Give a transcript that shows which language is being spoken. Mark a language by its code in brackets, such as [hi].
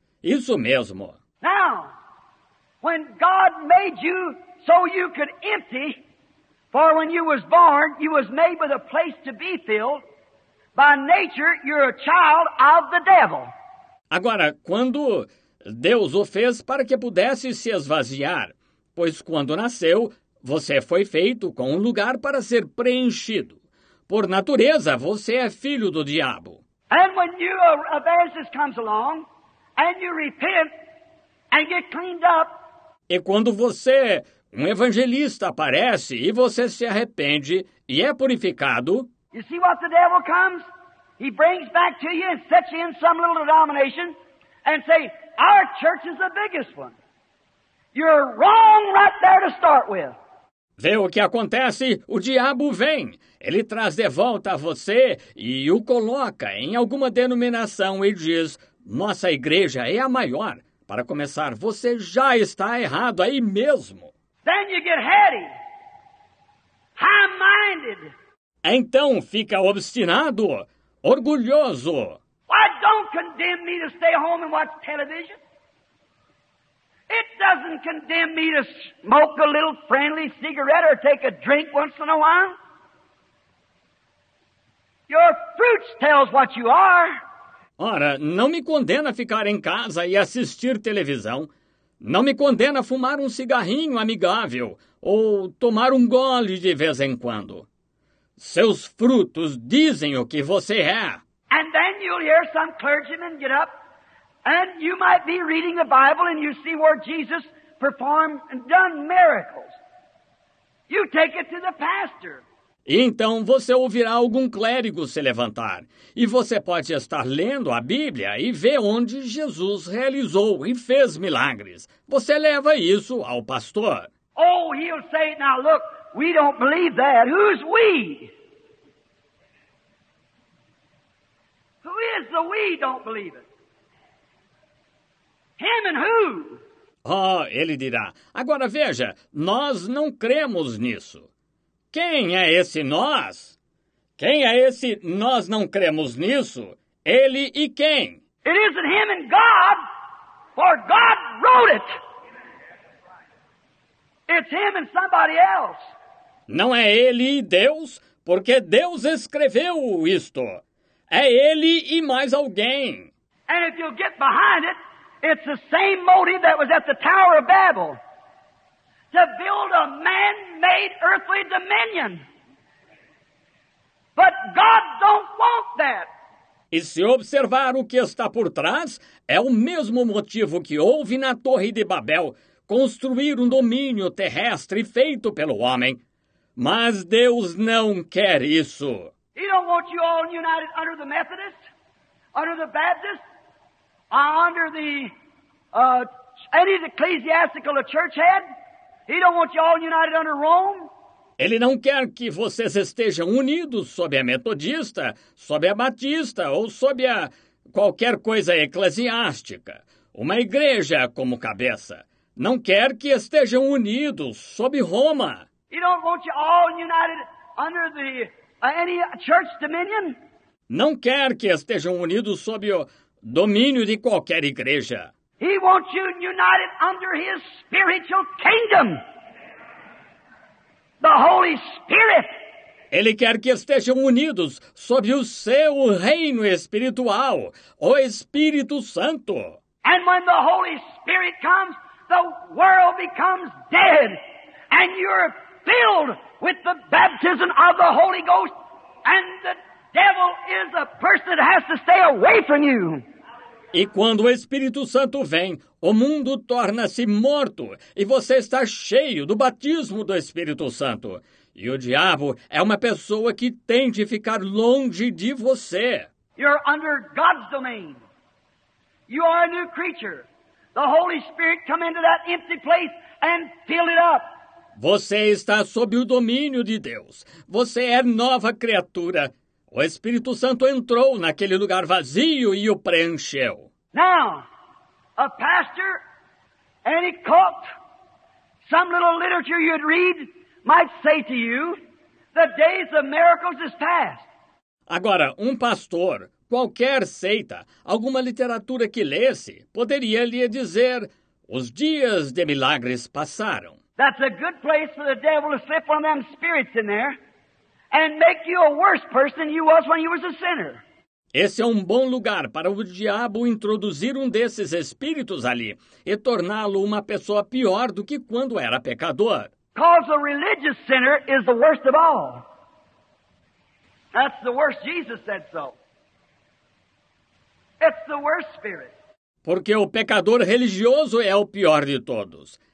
[pt] Isso mesmo. [en] Now, when God made you so you could empty, for when you was born, you was made with a place to be filled. By nature, you're a child of the devil. [pt] Agora, quando Deus o fez para que pudesse se esvaziar, pois quando nasceu, você foi feito com um lugar para ser preenchido. Por natureza, você é filho do diabo. [en] And when you evangelist comes along, and you repent, and get cleaned up. [pt] E quando você... Um evangelista aparece e você se arrepende e é purificado. [en] You see what the devil comes? He brings back to you and sets you in some little denomination and say, our church is the biggest one. You're wrong right there to start with. [pt] Vê o que acontece? O diabo vem. Ele traz de volta a você e o coloca em alguma denominação e diz, nossa igreja é a maior. Para começar, você já está errado aí mesmo. [en] Then you get heady, high-minded. [pt] Então fica obstinado, orgulhoso. [en] Why don't condemn me to stay home and watch television? It doesn't condemn me to smoke a little friendly cigarette or take a drink once in a while. Your fruits tells what you are. [pt] Ora, não me condena a ficar em casa e assistir televisão. Não me condena a fumar um cigarrinho amigável ou tomar um gole de vez em quando. Seus frutos dizem o que você é. [en] And then you'll hear some clergyman get up and you might be reading the Bible and you see where Jesus performed and done miracles. You take it to the pastor. [pt] E então você ouvirá algum clérigo se levantar. E você pode estar lendo a Bíblia e ver onde Jesus realizou e fez milagres. Você leva isso ao pastor. [en] Oh, he'll say, now look, we don't believe that. Who's we? Who is the we don't believe it? Him and who? [pt] Oh, ele dirá. Agora veja, nós não cremos nisso. Quem é esse nós? Quem é esse nós não cremos nisso? Ele e quem? [en] It isn't him and God, for God wrote it. It's him and somebody else. [pt] Não é ele e Deus, porque Deus escreveu isto. É ele e mais alguém. [en] And if you get behind it, it's the same motive that was at the Tower of Babel. To build a man-made earthly dominion. But God don't want that. [pt] E se observar o que está por trás, é o mesmo motivo que houve na Torre de Babel, construir um domínio terrestre feito pelo homem. Mas Deus não quer isso. [en] He don't want you all united under the Methodist, under the Baptist, under the any ecclesiastical church head. He don't want you all united under Rome. [pt] Ele não quer que vocês estejam unidos sob a metodista, sob a batista ou sob a qualquer coisa eclesiástica, uma igreja como cabeça. Não quer que estejam unidos sob Roma. [en] He don't want you all united under the any church dominion? [pt] Não quer que estejam unidos sob o domínio de qualquer igreja. [en] He wants you united under his spiritual kingdom. The Holy Spirit. [pt] Ele quer que estejam unidos sob o seu reino espiritual, o Espírito Santo. [en] And when the Holy Spirit comes, the world becomes dead and you're filled with the baptism of the Holy Ghost, and the devil is a person that has to stay away from you. [pt] E quando o Espírito Santo vem, o mundo torna-se morto e você está cheio do batismo do Espírito Santo. E o diabo é uma pessoa que tem de ficar longe de você. [en] You're under God's domain. You are a new creature. The Holy Spirit come into that empty place and fill it up. [pt] Você está sob o domínio de Deus. Você é nova criatura. O Espírito Santo entrou naquele lugar vazio e o preencheu. [en] Now, a pastor, any cult, some little literature you'd read might say to you, the days of miracles is past. [pt] Agora, pastor, qualquer seita, alguma literatura que lesse, poderia lhe dizer, os dias de milagres passaram. [en] That's a good place for the devil to slip one of them spirits in there and make you a worse person than you was when you was a sinner. [pt] Esse é um bom lugar para o diabo introduzir desses espíritos ali e torná-lo uma pessoa pior do que quando era pecador. [en] Because a religious sinner is the worst of all. That's the worst, Jesus said so. It's the worst spirit. [pt] Porque o pecador religioso é o pior de todos.